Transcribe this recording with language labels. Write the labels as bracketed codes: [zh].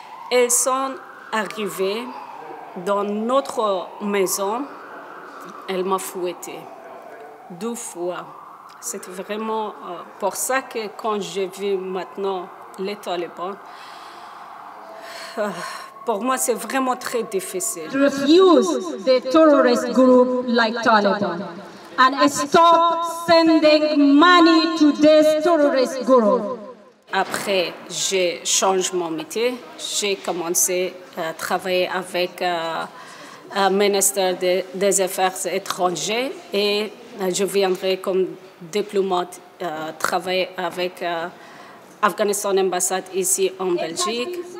[fr] Elles sont arrivées dans notre maison, elles m'ont fouetté 2 fois. C'est vraiment pour ça que quand j'ai vu maintenant les talibans, pour moi c'est vraiment très difficile. Je refuse des terroristes groupes comme Taliban. [en] And stop sending money to these terrorist groups. [fr] Après, j'ai changé mon métier. J'ai commencé à travailler avec un ministre des Affaires étrangères et je viendrai comme diplomate travailler avec l'Afghanistan ambassade ici en Belgique.